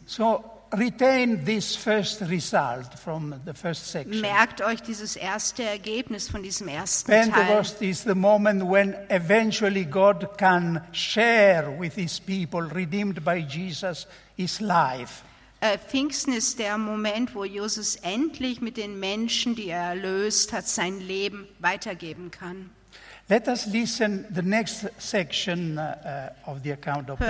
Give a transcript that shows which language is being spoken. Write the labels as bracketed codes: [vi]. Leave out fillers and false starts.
[en] So, retain this first result from the first section. [de] Merkt euch dieses erste Ergebnis von diesem ersten [en] Pentecost [de] Teil. [en] Pentecost is the moment when eventually God can share with his people, redeemed by Jesus, his life. [de] Pfingsten ist der Moment, wo Jesus endlich mit den Menschen, die er erlöst hat, sein Leben weitergeben kann. [en] Let us listen the next section of the account of